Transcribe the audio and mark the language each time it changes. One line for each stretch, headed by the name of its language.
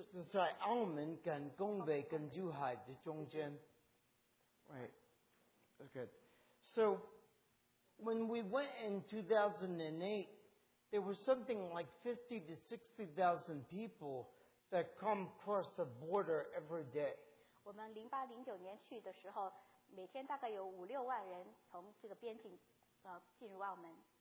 Chinese: Sorry, 澳门跟 Gongbei 跟 Zhuhai 的中间。
English: Right. Okay. So, when we went in 2008, there was something like 50 to 60,000 people that come across the border every day.
Chinese: 我们08-09年去的时候，每天大概有五六万人从这个边境进入澳门。